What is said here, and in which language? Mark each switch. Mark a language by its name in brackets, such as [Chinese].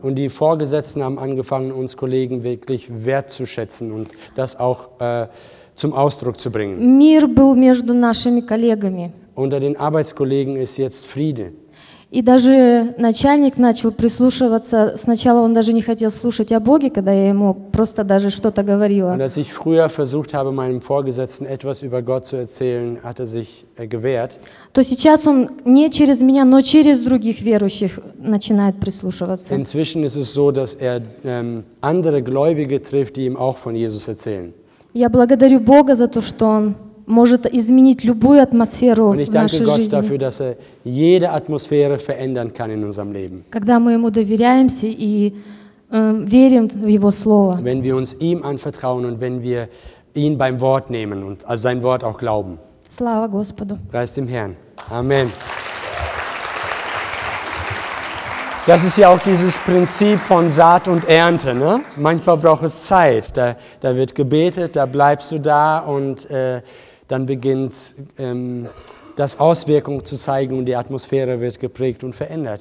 [German] Und die Vorgesetzten haben angefangen, uns Kollegen wirklich wertzuschätzen und das auch zum Ausdruck zu bringen. [Russian] Мир был между нашими коллегами. [German] Unter den Arbeitskollegen ist jetzt Friede. [Russian] И даже начальник начал прислушиваться. Сначала он даже не хотел слушать о Боге, когда я ему просто даже что-то говорила. [German] Und als ich früher versucht habe, meinem Vorgesetzten etwas über Gott zu erzählen, hat sich gewehrt. [Russian] То сейчас он не через меня, но через других верующих начинает прислушиваться. [German] Inzwischen ist es so, dass er andere Gläubige trifft, die ihm auch von Jesus erzählen. [Russian] Я благодарю Бога за то, что он может изменить любую атмосферу в нашей жизни. [German] Und ich danke Gott dafür, dass er jede Atmosphäre verändern kann in unserem Leben. [Russian] Когда мы ему доверяемся и верим в его слово. [German] Wenn wir uns ihm anvertrauen und wenn wir ihn beim Wort nehmen und sein Wort auch glauben. [Russian] Слава Господу. [German] Preist dem Herrn. Amen. Das ist ja auch dieses Prinzip von Saat und Ernte. Ne? Manchmal braucht es Zeit. Da wird gebetet, da bleibst du da und dann beginnt das Auswirkung zu zeigen und die Atmosphäre wird geprägt und verändert.